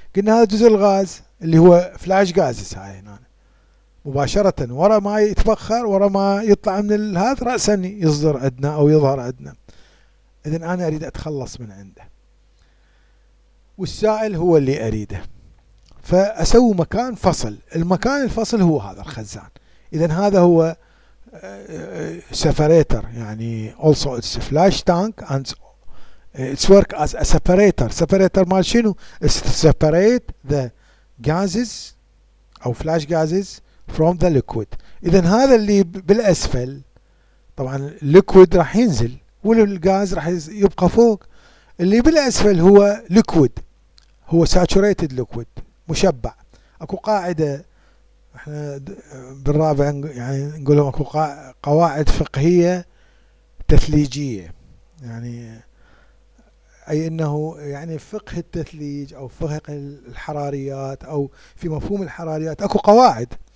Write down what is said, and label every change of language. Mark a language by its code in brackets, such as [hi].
[ar] قلنا هذا جزء الغاز اللي هو فلاش غاز سائل هنا مباشرة، ورا ما يتبخر ورا ما يطلع من هذا رأسا يصدر عندنا أو يظهر عندنا. إذن أنا أريد أتخلص من عنده، والسائل هو اللي أريده، فأسوي مكان فصل. المكان الفصل هو هذا الخزان. إذن هذا هو [en] separator، يعني also it's a flash tank and it's work as a separator. separator [ar] مال شنو؟ [en] separate the gases أو flash gases from the liquid. [ar] اذا هذا اللي بالاسفل طبعا الليكويد راح ينزل والغاز راح يبقى فوق. اللي بالاسفل هو ليكويد، هو ساتوريتد ليكويد مشبع. اكو قاعده احنا بالرابع يعني نقولهم اكو قواعد فقهيه تثليجيه، يعني اي انه يعني فقه التثليج او فقه الحراريات او في مفهوم الحراريات اكو قواعد.